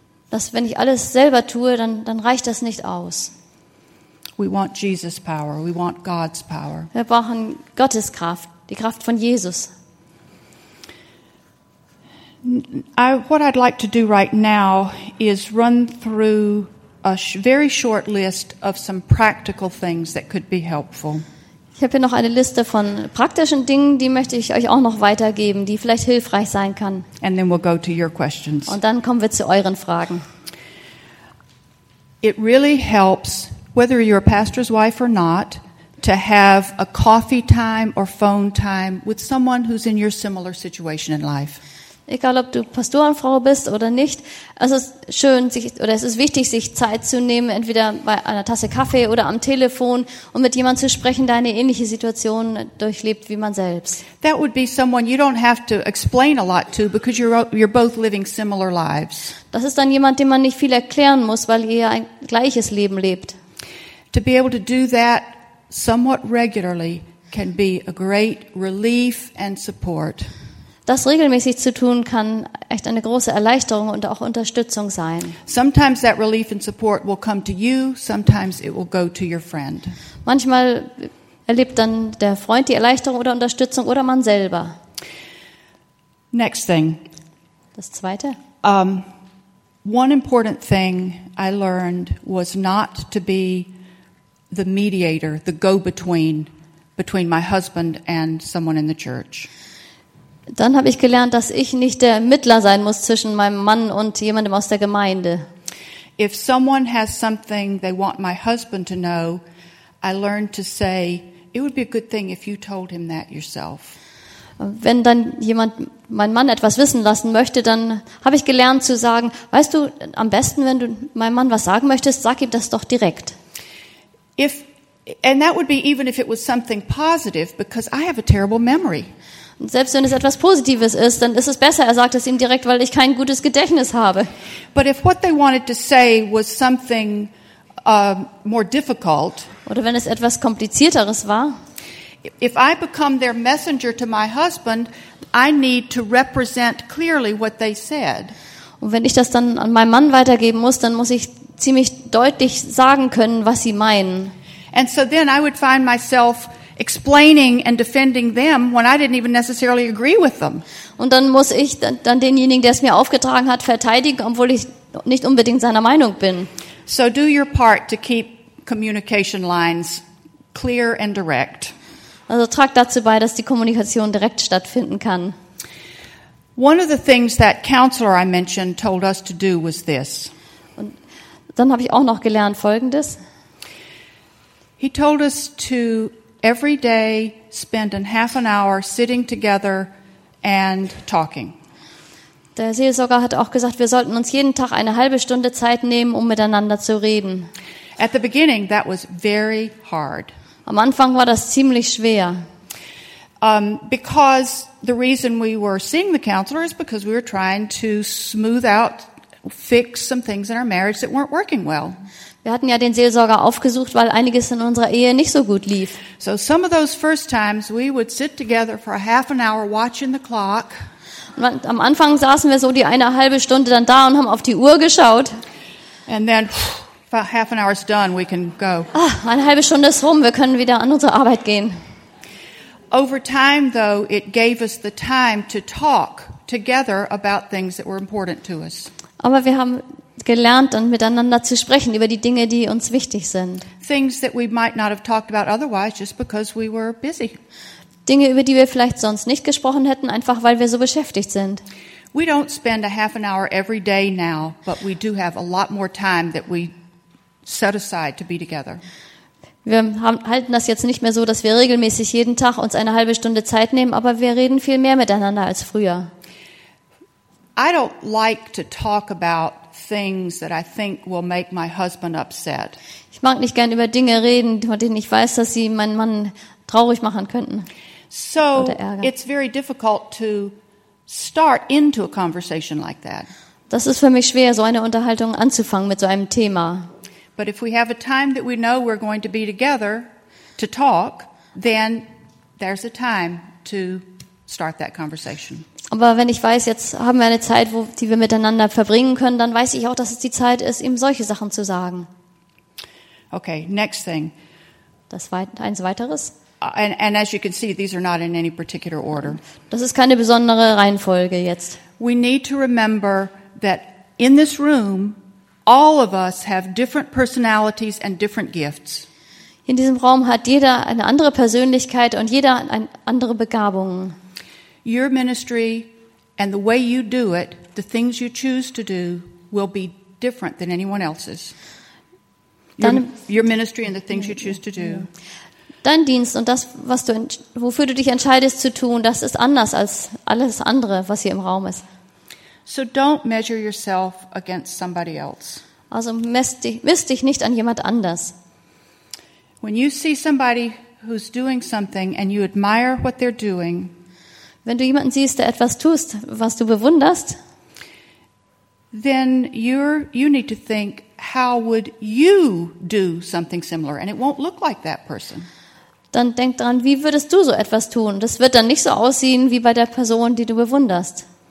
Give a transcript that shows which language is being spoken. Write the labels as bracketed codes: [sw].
[de] Dass wenn ich alles selber tue, dann reicht das nicht aus. [en] We want Jesus' power. We want God's power. [de] Wir brauchen Gottes Kraft, die Kraft von Jesus. [en] What I'd like to do right now is run through a very short list of some practical things that could be helpful. [de] Ich habe hier noch eine Liste von praktischen Dingen, die möchte ich euch auch noch weitergeben, die vielleicht hilfreich sein kann. [en] And then we'll go to your questions. [de] Und dann kommen wir zu euren Fragen. [en] It really helps, whether you're a pastor's wife or not, to have a coffee time or phone time with someone who's in your similar situation in life. [de] Egal, ob du Pastorenfrau bist oder nicht, es ist schön, es ist wichtig, sich Zeit zu nehmen, entweder bei einer Tasse Kaffee oder am Telefon, um mit jemandem zu sprechen, der eine ähnliche Situation durchlebt wie man selbst. [en] That would be someone you don't have to explain a lot to, because you're both living similar lives. [de] Das ist dann jemand, dem man nicht viel erklären muss, weil ihr ein gleiches Leben lebt. [en] To be able to do that somewhat regularly can be a great relief and support. [de] Das regelmäßig zu tun, kann echt eine große Erleichterung und auch Unterstützung sein. [en] Sometimes that relief and support will come to you, sometimes it will go to your friend. [de] Manchmal erlebt dann der Freund die Erleichterung oder Unterstützung oder man selber. [en] Next thing. [de] Das zweite. [en] One important thing I learned was not to be the mediator, the go-between my husband and someone in the church. [de] Dann habe ich gelernt, dass ich nicht der Mittler sein muss zwischen meinem Mann und jemandem aus der Gemeinde. [en] If someone has something they want my husband to know, I learned to say, it would be a good thing if you told him that yourself. [de] Wenn dann jemand meinen Mann etwas wissen lassen möchte, dann habe ich gelernt zu sagen, weißt du, am besten, wenn du meinem Mann was sagen möchtest, sag ihm das doch direkt. [en] And that would be even if it was something positive, because I have a terrible memory. [de] Und selbst wenn es etwas Positives ist, dann ist es besser, er sagt es ihm direkt, weil ich kein gutes Gedächtnis habe. [en] But if what they wanted to say was something more difficult, [de] oder wenn es etwas Komplizierteres war, [en] if I become their messenger to my husband, I need to represent clearly what they said. [de] Und wenn ich das dann an meinen Mann weitergeben muss, dann muss ich ziemlich deutlich sagen können, was sie meinen. [en] And so then I would find myself explaining and defending them when I didn't even necessarily agree with them. [de] Und dann muss ich dann denjenigen, der es mir aufgetragen hat, verteidigen, obwohl ich nicht unbedingt seiner Meinung bin. [en] So do your part to keep communication lines clear and direct. [de] Also trag dazu bei, dass die Kommunikation direkt stattfinden kann. [en] One of the things that counselor I mentioned told us to do was this. [de] Und dann habe ich auch noch gelernt Folgendes. [en] He told us to every day spend a half an hour sitting together and talking. [de] Der Seelsorger hat auch gesagt, wir sollten uns jeden Tag eine halbe Stunde Zeit nehmen, um miteinander zu reden. [en] At the beginning that was very hard. [de] Am Anfang war das ziemlich schwer. [en] Because the reason we were seeing the counselor is because we were trying to smooth out, fix some things in our marriage that weren't working well. [de] Wir hatten ja den Seelsorger aufgesucht, weil einiges in unserer Ehe nicht so gut lief. [en] So some of those first times we would sit together for a half an hour watching the clock. [de] Und am Anfang saßen wir so die eine halbe Stunde dann da und haben auf die Uhr geschaut. [en] And then half an hour is done, we can go. [de] Ach, eine halbe Stunde ist rum, wir können wieder an unsere Arbeit gehen. [en] Over time though, it gave us the time to talk together about things that were important to us. [de] Aber wir haben gelernt, dann miteinander zu sprechen über die Dinge, die uns wichtig sind. [en] Things that we might not have talked about otherwise, just because we were busy. [de] Dinge, über die wir vielleicht sonst nicht gesprochen hätten, einfach weil wir so beschäftigt sind. [en] We don't spend a half an hour every day now, but we do have a lot more time that we set aside to be together. [de] Wir halten das jetzt nicht mehr so, dass wir regelmäßig jeden Tag uns eine halbe Stunde Zeit nehmen, aber wir reden viel mehr miteinander als früher. [en] I don't like to talk about things that I think will make my husband upset. [de] Ich mag nicht gern über Dinge reden, von denen ich weiß, dass sie meinen Mann traurig machen könnten. [en] So it's very difficult to start into a conversation like that. [de] Das ist für mich schwer, so eine Unterhaltung anzufangen mit so einem Thema. [en] But if we have a time that we know we're going to be together to talk, then there's a time to start that conversation. [de] Aber wenn ich weiß, jetzt haben wir eine Zeit, wo die wir miteinander verbringen können, dann weiß ich auch, dass es die Zeit ist, ihm solche Sachen zu sagen. [en] Okay, next thing. [de] Eins weiteres. [en] And as you can see, these are not in any particular order. [de] Das ist keine besondere Reihenfolge jetzt. [en] We need to remember that in this room, all of us have different personalities and different gifts. [de] In diesem Raum hat jeder eine andere Persönlichkeit und jeder eine andere Begabung. [en] Your ministry and the way you do it, the things you choose to do, will be different than anyone else's. Your ministry and the things you choose to do. [de] Dein Dienst und das, was du, wofür du dich entscheidest zu tun, das ist anders als alles andere, was hier im Raum ist. [en] So don't measure yourself against somebody else. [de] Also misst dich nicht an jemand anders. [en] When you see somebody who's doing something and you admire what they're doing, [de] wenn du jemanden siehst, der etwas tust, was du bewunderst, [en] then you need to think, how would you do something similar, and it won't look like that person. [de] Dann denk dran, wie würdest du so etwas tun? Das wird dann nicht so aussehen wie bei der Person, die du bewunderst.